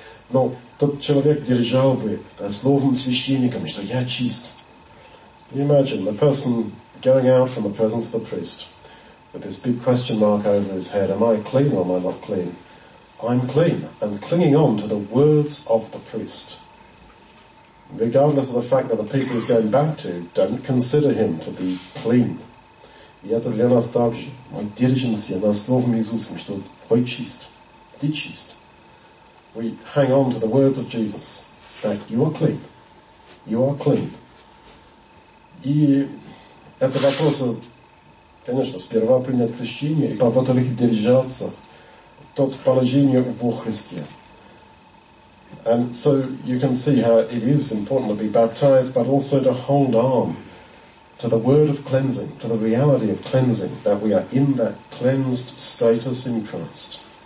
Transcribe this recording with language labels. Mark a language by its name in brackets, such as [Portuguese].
[Russian] Но тот человек держал бы словом священником, что я чист. [English] Imagine the person going out from the presence of the priest with this big question mark over his head, am I clean or am I not clean? I'm clean, and clinging on to the words of the priest. Regardless of the fact that the people he's going back to don't consider him to be clean. [Russian] И это для нас также. Мы держимся на словом Иисусом, что ты чист. Ты чист. [English] We hang on to the words of Jesus, that you are clean. You are clean. [Russian] И это вопрос, конечно, сперва принять крещение и по-вторых держаться тот положение во Христе. [English] And so you can see how it is important to be baptized, but also to hold on to the word of cleansing, to the reality of cleansing, that we are in that cleansed status in Christ.